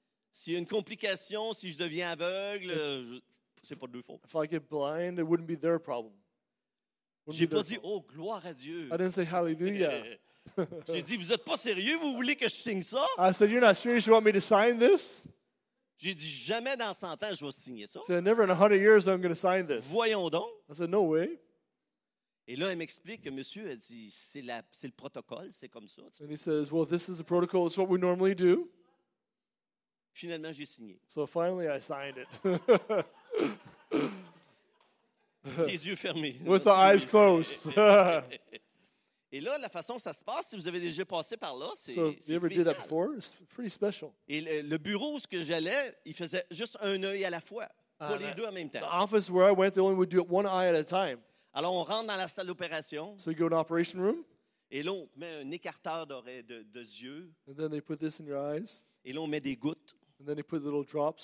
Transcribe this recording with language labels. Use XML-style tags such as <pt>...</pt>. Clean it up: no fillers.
<fr>S'il y a une complication, si je deviens aveugle, ce n'est pas de leur faute.</fr> <en>If I get blind, it wouldn't be their problem.</en> <fr>Je n'ai pas dit, oh, gloire à Dieu.</fr> <en>I didn't say hallelujah.</en> <fr>J'ai dit, vous n'êtes pas sérieux, vous voulez que je signe ça?</fr> <en>I said, you're not serious, you want me to sign this?</en> <fr>J'ai dit, jamais dans 100 ans, je vais signer ça.</fr> <en>I said, never in 100 years, I'm going to sign this.</en> <fr>Voyons donc.</fr> <en>I said, no way.</en> <fr>Et là, elle m'explique que monsieur, elle dit, c'est le protocole, c'est comme ça.</fr> <en>And he says, well, this is the protocol, it's what we normally do.</en> <fr>Finalement, j'ai signé.</fr> <en>So finally, I signed it.</en> <fr>Les yeux fermés.</fr> <en>With the eyes closed.</en> <fr>Et là, la façon que ça se passe, si vous avez déjà passé par là, c'est,</fr> <en>so,</en> <fr>c'est spécial.</fr> <en>Did that before? It's pretty special.</en> <fr>Et le bureau où j'allais, il faisait juste un œil à la fois, pas les deux en même temps.</fr> <en>The office where I went, they only would do it one eye at a time.</en> <fr>Alors, on rentre dans la salle d'opération.</fr> <en>So you go to the operation room.</en> <fr>Et là, on met un écarteur de yeux.</fr> <en>And then they put this in your eyes.</en> <fr>Et là, on met des gouttes.</fr> <en>And then they put little drops.</en>